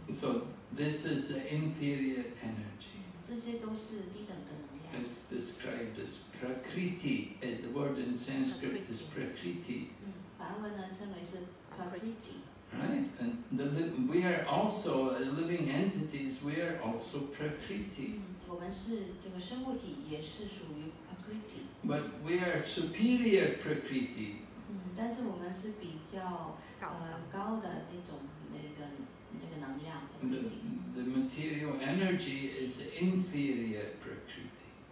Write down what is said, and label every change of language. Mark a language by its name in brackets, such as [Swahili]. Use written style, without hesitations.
[English] So this is the inferior energy. [Chinese] 这些都是低等的能量。 [English] It's described as prakriti. The word in Sanskrit is prakriti. [Chinese] 梵文呢称为是 prakriti. [English] Right, and we are also living entities. We are also prakriti. [Chinese] 我们是这个生物体，也是属于 prakriti. [English] But we are superior prakriti. [Chinese] 但是我们是比较高的那种。那个能量 [English] the material energy is inferior prakriti.